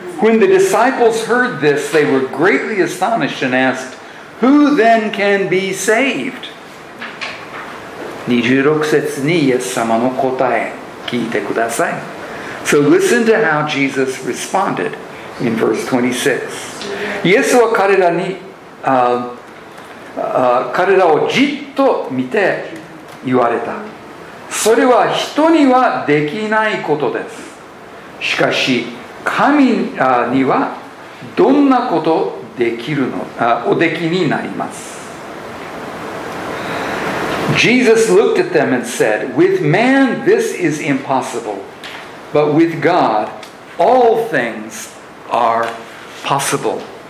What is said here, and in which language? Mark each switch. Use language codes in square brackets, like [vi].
[en] When the disciples heard this, they were greatly astonished and asked, Who then can be saved? [ja] 26節にイエス様の答え聞いてください。 [en] So listen to how Jesus responded in verse 26. [ja] イエスは彼らに彼らをじっと見て言われた。それは人にはできないことです。しかし神にはどんなことできるのおできになります。 [en] Jesus looked at them and said, With man this is impossible, but with God all things are possible.